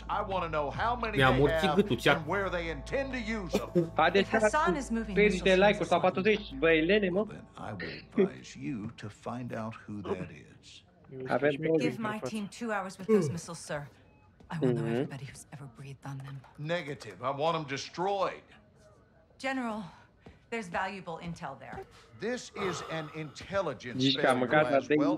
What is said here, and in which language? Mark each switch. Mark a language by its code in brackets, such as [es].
[en] I want to know how many they have and where they intend to use them. Hassan is moving. [ro] 30 de like-uri sau 40, băi, lene, mă. [en] I will advise you to find out who that is. Give my team 2 hours with those missiles, sir. I want to know everybody who's ever breathed on them. Negative. I want them destroyed. General, there's valuable intel there. This is an intelligence